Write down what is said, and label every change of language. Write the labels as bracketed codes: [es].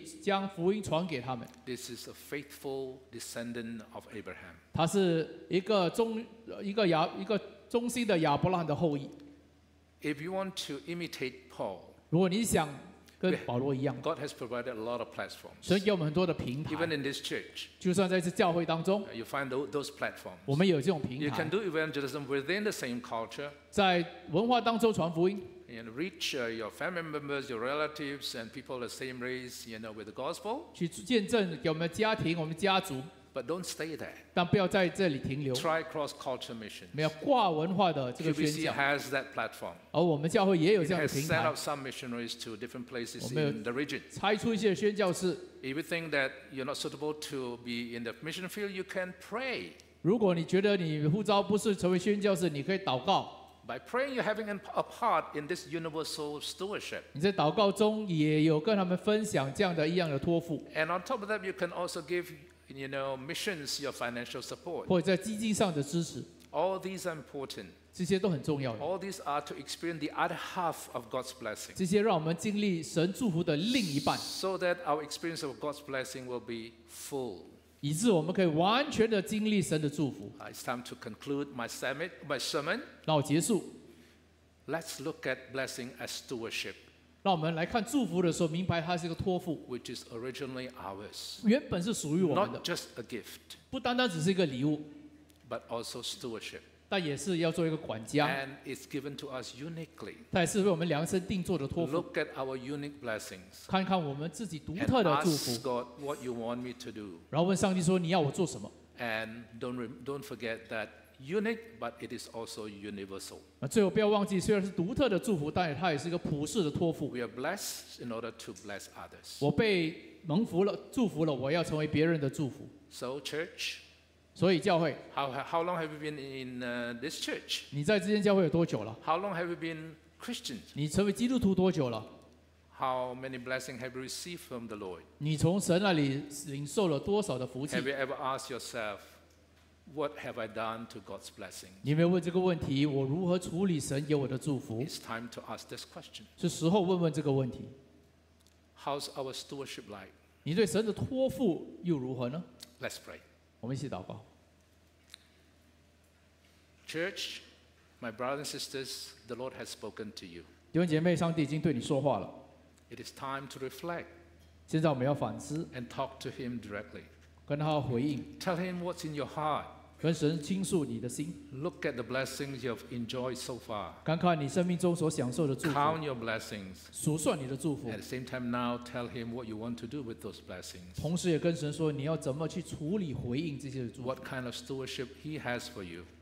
[zh] 所以情愿尽我的力将福音传给他们。 [en] This is a faithful descendant of Abraham. [zh] 他是一个忠心的亚伯拉罕的后裔。 [en] If you want to imitate Paul, [zh] 如果你想跟保罗一样, [en] God has provided a lot of platforms. [zh] 神给我们很多的平台, [en] even in this church, [zh] 就算在这教会当中, [en] you find those platforms. [zh] 我们有这种平台, [en] you can do evangelism within the same culture. [zh] 在文化当中传福音, [en] and reach your family members, your relatives, and people of the same race, you know, with the gospel. [zh] 去见证给我们家庭, 我们家族, [en] but don't stay there. [zh] 但不要在这里停留, [en] try cross-culture mission. [zh] 没有挂文化的这个宣讲, [en] QBC has that platform. [zh] 而我们教会也有这样的平台, [en] it has set up some missionaries to different places in the region. [zh] 拆出一些宣教士, [en] if you think that you're not suitable to be in the mission field, you can pray. [zh] 如果你觉得你呼召不是成为宣教士, 你可以祷告。 [en] By praying, you're having a part in this universal stewardship. [zh] 你在祷告中也有跟他们分享这样的一样的托付。 [en] And on top of that, you can also give, you know, missions your financial support. [zh] 或者在基金上的支持。 [en] All these are important. [zh] 这些都很重要的。 [en] All these are to experience the other half of God's blessing. [zh] 这些让我们经历神祝福的另一半。 [en] So that our experience of God's blessing will be full. [zh] 以致我们可以完全的经历神的祝福。 [en] It's time to conclude my sermon. [zh] 让我结束。 [en] Let's look at blessing as stewardship. [zh] 让我们来看祝福的时候, 明白它是一个托付。 [en] Which is originally ours. [zh] 原本是属于我们的。 [en] Not just a gift. [zh] 不单单只是一个礼物。 [en] But also stewardship. [zh] 但也是要做一个管家。 [en] And it's given to us uniquely. [zh] 它也是为我们量身定做的托付。 [en] Look at our unique blessings. [zh] 看看我们自己独特的祝福。 [en] And ask God what you want me to do. [zh] 然后问上帝说你要我做什么。 [en] And don't forget that unique, but it is also universal. [zh] 最后不要忘记, 虽然是独特的祝福, 但它也是一个普世的托付。 [en] We are blessed in order to bless others. [zh] 我被蒙福了, 祝福了, 我要成为别人的祝福。 [en] So church, [zh] 所以教会, [en] how long have you been in this church? [zh] 你在这间教会有多久了? [en] How long have you been Christian? [zh] 你成为基督徒多久了? [en] How many blessings have you received from the Lord? [zh] 你从神那里领受了多少的福气? [en] Have you ever asked yourself, what have I done to God's blessing? [zh] 你有没有问这个问题? 我如何处理神给我的祝福? [en] It's time to ask this question. [zh] 是时候问问这个问题。 [en] How's our stewardship like? [zh] 你对神的托付又如何呢? [en] Let's pray. [zh] 我们一起祷告。 [en] Church, my brothers and sisters, the Lord has spoken to you. [zh] 弟兄姐妹, 上帝已经对你说话了。 [en] It is time to reflect. [zh] 现在我们要反思。 [en] And talk to him directly. [zh] 跟他回应。 [en] Tell him what's in your heart. [zh] 跟神倾诉你的心。 [en] Look at the blessings you've enjoyed so far. [zh] 看看你生命中所享受的祝福。 [en] Count your blessings. [zh] 数算你的祝福。 [en] At the same time now, tell him what you want to do with those blessings. [zh] 同时也跟神说你要怎么去处理回应这些祝福。 [en] What kind of stewardship he has for you.